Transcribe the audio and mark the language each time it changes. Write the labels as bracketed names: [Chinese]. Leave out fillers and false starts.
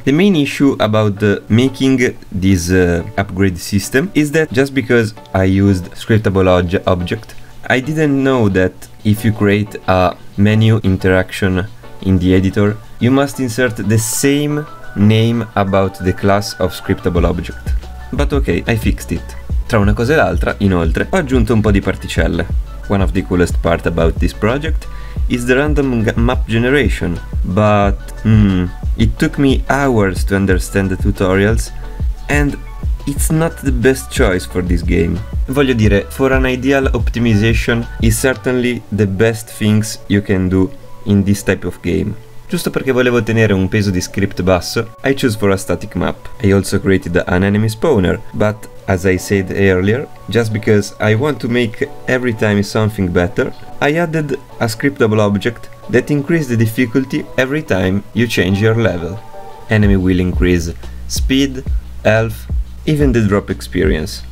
[English] The main issue about making this upgrade system is that just because I used scriptable object, I didn't know that if you create a menu interaction in the editor, you must insert the same name about the class of scriptable object. But okay, I fixed it. [Italian] Tra una cosa e l'altra, inoltre, ho aggiunto un po' di particelle. [English] One of the coolest part about this project is the random map generation, but it took me hours to understand the tutorials, and it's not the best choice for this game. [Italian] Voglio dire, [English] for an ideal optimization is certainly the best things you can do in this type of game. [Italian] Giusto perché volevo tenere un peso di script basso, [English] I chose for a static map. I also created an enemy spawner, but as I said earlier, just because I want to make every time something better, I added a scriptable object that increases the difficulty every time you change your level. Enemy will increase speed, health, even the drop experience.